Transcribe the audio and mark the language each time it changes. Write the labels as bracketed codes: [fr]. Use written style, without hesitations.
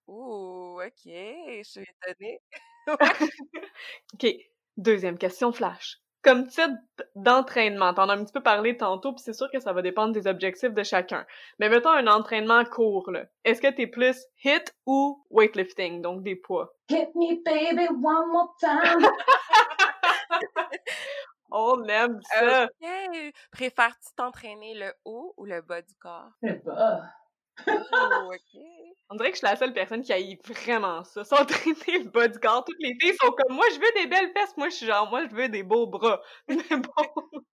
[fr] Ouh, OK. Je suis étonnée. OK. Deuxième question flash. Comme type d'entraînement, t'en as un petit peu parlé tantôt, puis c'est sûr que ça va dépendre des objectifs de chacun. Mais mettons un entraînement court, là. Est-ce que t'es plus HIIT ou weightlifting, donc des poids? [en] Hit me, baby, one more time! [fr] On aime ça! OK! Préfères-tu t'entraîner le haut ou le bas du corps? Le bas! Oh, OK! On dirait que je suis la seule personne qui haït vraiment ça. S'entraîner le bas du corps. Toutes les filles sont comme, moi, je veux des belles fesses. Moi, je suis genre, moi, je veux des beaux bras. Mais bon.